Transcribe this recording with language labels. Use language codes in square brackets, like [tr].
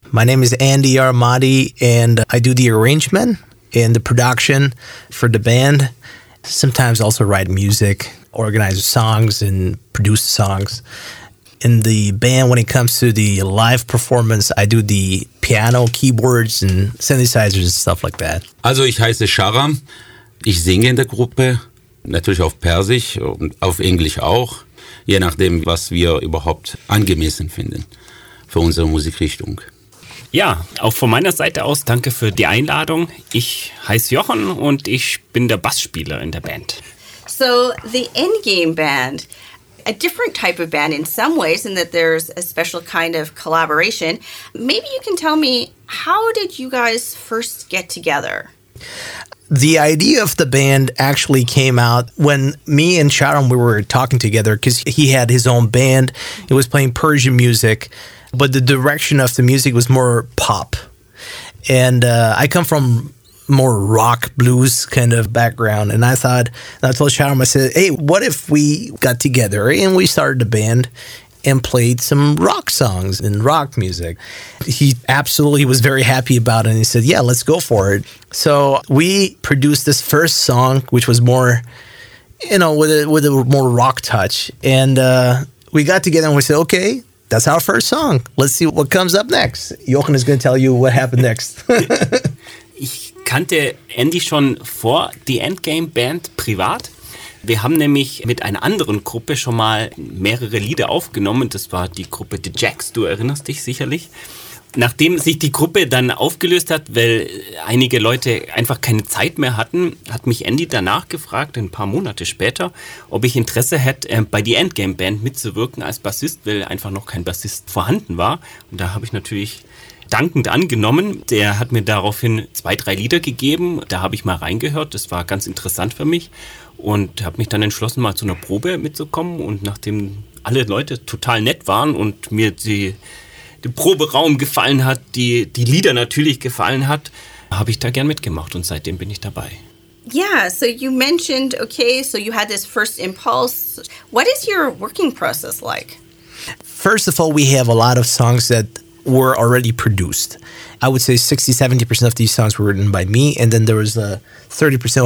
[en] My name is Andy Yarmadi, and I do the arrangement and the production for the band. Sometimes also write music, organize songs, and produce songs. In the band, when it comes to the live performance, I do the piano, keyboards, and synthesizers and stuff like that. [de] Also, ich heiße Sharam. Ich singe in der Gruppe. Natürlich auf Persisch und auf Englisch auch, je nachdem, was wir überhaupt angemessen finden für unsere Musikrichtung. Ja, auch von meiner Seite aus danke für die Einladung. Ich heiße Jochen und ich bin der Bassspieler in der Band. [en] So, the Endgame Band, a different type of band in some ways, in that there's a special kind of collaboration. Maybe you can tell me, how did you guys first get together? The idea of the band actually came out when me and Sharam, we were talking together because he had his own band. It was playing Persian music, but the direction of the music was more pop. And I come from more rock, blues kind of background. And I thought, and I told Sharam, I said, hey, what if we got together and we started a band and played some rock songs and rock music? He absolutely was very happy about it. And he said, yeah, let's go for it. So we produced this first song, which was more, you know, with a more rock touch. And we got together and we said, okay, that's our first song. Let's see what comes up next. Jochen is going to tell you what happened next. [de] Ich kannte Andy schon vor die Endgame Band privat. Wir haben nämlich mit einer anderen Gruppe schon mal mehrere Lieder aufgenommen. Das war die Gruppe The Jacks, du erinnerst dich sicherlich. Nachdem sich die Gruppe dann aufgelöst hat, weil einige Leute einfach keine Zeit mehr hatten, hat mich Andy danach gefragt, ein paar Monate später, ob ich Interesse hätte, bei die Endgame Band mitzuwirken als Bassist, weil einfach noch kein Bassist vorhanden war. Und da habe ich natürlich dankend angenommen. Der hat mir daraufhin 2-3 Lieder gegeben. Da habe ich mal reingehört. Das war ganz interessant für mich. Und habe mich dann entschlossen, mal zu einer Probe mitzukommen. Und nachdem alle Leute total nett waren und mir der Proberaum gefallen hat, die Lieder natürlich gefallen hat, habe ich da gern mitgemacht. Und seitdem bin ich dabei. [en] Yeah, so you mentioned, okay, so you had this first impulse. What is your working process like? First of all, we have a lot of songs that were already produced. I would say 60-70% of these songs were written by me, and then there was a 30%.